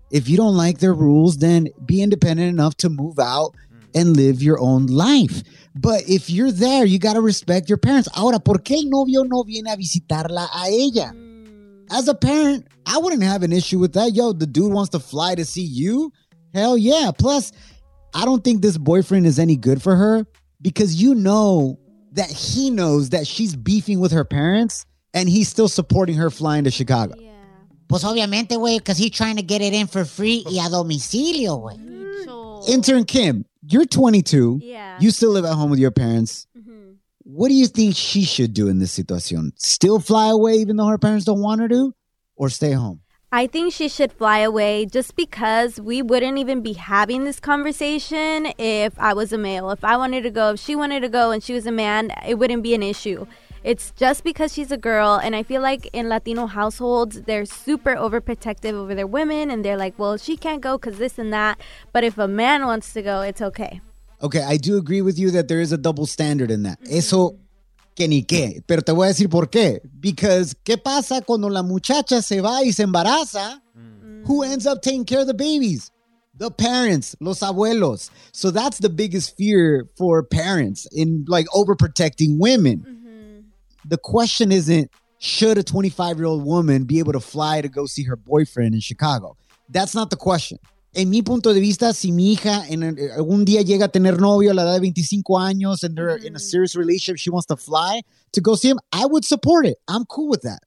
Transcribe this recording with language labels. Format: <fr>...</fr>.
<en>If you don't like their rules, then be independent enough to move out and live your own life. But if you're there, you got to respect your parents.</en> <es>Ahora, ¿por qué el novio no viene a visitarla a ella?</es> <en>As a parent, I wouldn't have an issue with that. Yo, the dude wants to fly to see you? Hell yeah. Plus, I don't think this boyfriend is any good for her because you know that he knows that she's beefing with her parents and he's still supporting her flying to Chicago. Yeah.</en> <es>Pues obviamente, güey,</es> <en>because he's trying to get it in for free</en> <es>y a domicilio, güey.</es> <en>Intern Kim, you're 22. Yeah. You still live at home with your parents. Mm-hmm. What do you think she should do in this situation? Still fly away even though her parents don't want her to? Or stay home? I think she should fly away just because we wouldn't even be having this conversation if I was a male. If I wanted to go, if she wanted to go and she was a man, it wouldn't be an issue. It's just because she's a girl. And I feel like in Latino households, they're super overprotective over their women. And they're like, well, she can't go because this and that. But if a man wants to go, it's okay. Okay, I do agree with you that there is a double standard in that.</en> <es>Eso que ni qué. Pero te voy a decir por qué. Because ¿qué pasa cuando la muchacha se va y se embaraza?</es> <en>Who ends up taking care of the babies? The parents,</en> <es>los abuelos.</es> <en>So that's the biggest fear for parents in like overprotecting women. The question isn't, should a 25-year-old woman be able to fly to go see her boyfriend in Chicago? That's not the question.</en> <es>En mi punto de vista, si mi hija en algún día llega a tener novio a la edad de 25 años</es> <en>and they're in a serious relationship, she wants to fly to go see him, I would support it. I'm cool with that.</en>